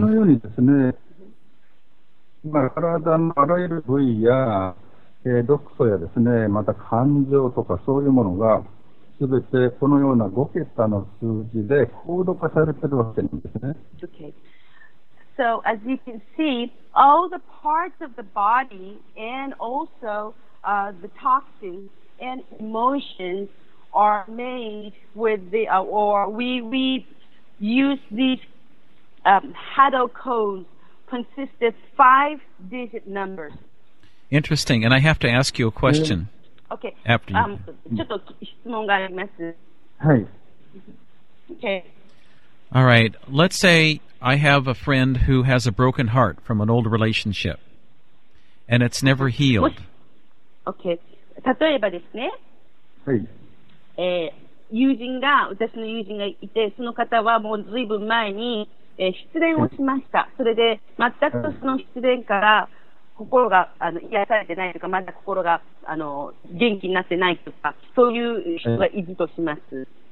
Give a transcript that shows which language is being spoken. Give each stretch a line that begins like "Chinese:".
Japanese: このようにですね、まあ、体のあらゆる部位や、毒素やですね、また感情とかそういうものが全てこのような5桁の数字でコード化されているわけなんですね。
English: Okay. So, as you can see, all the parts of the body and also、the toxins and emotions are made with the,、or we use these、HADO codes consist of 5-digit numbers. Interesting. And I have to ask you a question.、 Yeah. Okay. After you.
Japanese: ちょっと質問があります。はい。
English: Okay. All right. Let's say I have a friend who has a broken heart from an old relationship, and it's never healed.
Japanese: Okay. 例えばですね。はい。友人が、私の友人がいて、その方はもう随分前に、失恋をしました。それで、全くその失恋から、心が癒されてないとか、まだ心が元気になってないとか、そういう人がいるとします。